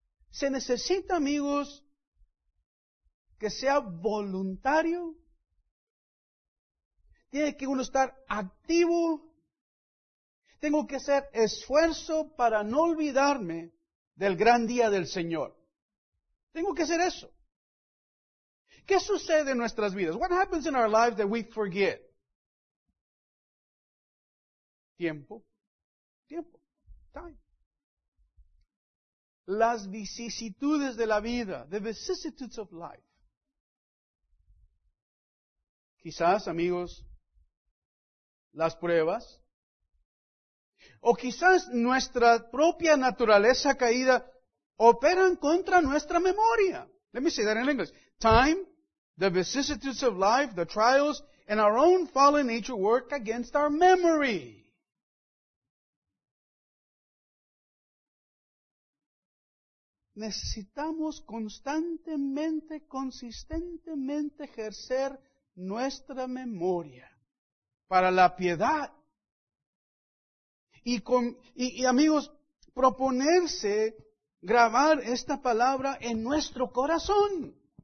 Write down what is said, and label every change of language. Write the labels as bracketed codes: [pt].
[es] Se necesita, amigos, que sea voluntario. Tiene que uno estar activo. Tengo que hacer esfuerzo para no olvidarme del gran día del Señor. Tengo que hacer eso. ¿Qué sucede en nuestras vidas? [en] What happens in our lives that we forget? [es] Tiempo. Tiempo. [en] Time. [es] Las vicisitudes de la vida. [en] The vicissitudes of life. [es] Quizás, amigos, las pruebas. O quizás nuestra propia naturaleza caída operan contra nuestra memoria. [en] Let me say that in English. Time, the vicissitudes of life, the trials, and our own fallen nature work against our memory. [es] Necesitamos constantemente, consistentemente ejercer nuestra memoria para la piedad. Y amigos, proponerse grabar esta palabra en nuestro corazón.